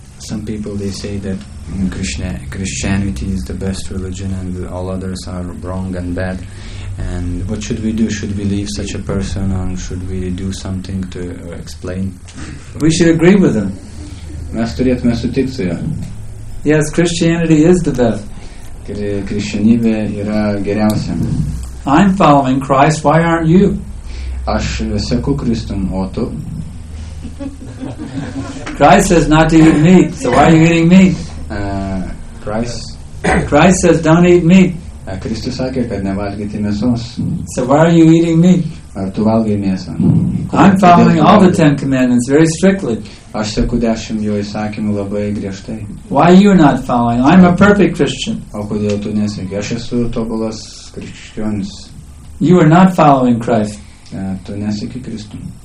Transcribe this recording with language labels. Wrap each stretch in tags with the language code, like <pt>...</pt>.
<en>Some people, they say that Christianity is the best religion and all others are wrong and bad. And what should we do? Should we leave such a person or should we do something to explain? We should agree with them.</en> <lt>Mes turėtume sutikti su juo.</lt> <en>Yes, Christianity is the best.</en> <lt>Krikščionybė yra geriausia.</lt> <en>I'm following Christ, why aren't you?</en> <lt>Aš seku Kristum, o tu?</lt> <en>Christ says not to eat meat, so why are you eating meat? Christ says don't eat meat.</en> <lt>Kristus sakė, kad nevalgyti mėsos.</lt> <en>So why are you eating meat?</en> <lt>Ar tu valgai mėsą?</lt> <en>I'm following all the Ten Commandments very strictly.</en> <lt>Aš seku 10 jo įsakymų labai griežtai.</lt> <en>Why are you not following? I'm a perfect Christian.</en> <lt>O kodėl tu nesveiki? Aš esu tobulas krikščionis.</lt> <en>You are not following Christ.</en> <lt>Tu nesveiki Kristų.</lt>